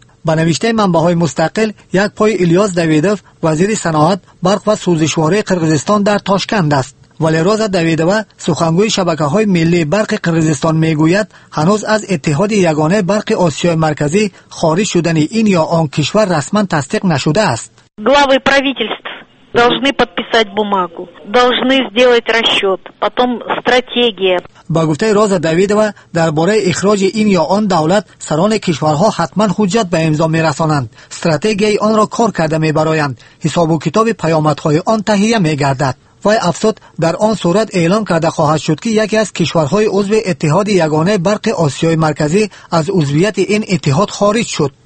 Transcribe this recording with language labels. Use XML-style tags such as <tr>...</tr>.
<fa>به نوشته منبع‌های مستقل، یک پای الیاس داویدوف وزیر صنعت، برق و سوزشواره قرقیزستان در تاشکند است. ولی روزا داویدوف سخنگوی شبکه‌های ملی برق قرقیزستان میگوید هنوز از اتحاد یگانه برق آسیای مرکزی خارج شدن این یا آن کشور رسما تصدیق نشده است.</fa> <ru>главы правительств должны подписать бумагу, должны сделать расчет, потом стратегия.</ru> <tg>Ба гуфтаи Роза Давидова, дар бораи ихроҷи ин ё он давлат, сарони кишварҳо ҳатман ҳуҷҷат ба имзо мерасонанд. Стратегияи онро кор карда мебароянд. Ҳисобу китоби паёмадҳои он таҳия мегардад. Вай афзуд, дар он сурат эълон карда хоҳад шуд, ки яке аз кишварҳои узви иттиҳоди ягонаи барқи Осиёи марказӣ аз узвияти ин иттиҳод хориҷ шуд.</tg>